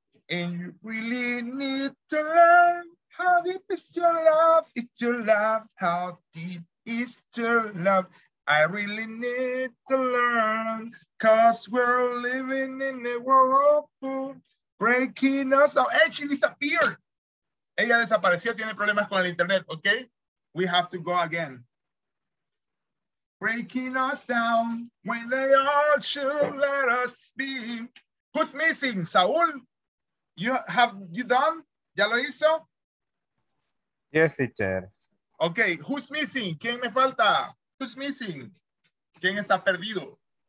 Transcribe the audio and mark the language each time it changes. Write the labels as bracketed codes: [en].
[en] And you really need to learn how deep is your love. Is your love? How deep is your love? I really need to learn, cause we're living in a world breaking us. Now, and she disappeared. [es] Ella desapareció, tiene problemas con el internet, okay? [en] We have to go again. Breaking us down when they all should let us be. Who's missing? Saul? You done? [es] ¿Ya lo hizo? [en] Yes, teacher. Okay, who's missing? [es] ¿Quién me falta? [en] Who's missing? [es] ¿Quién está perdido?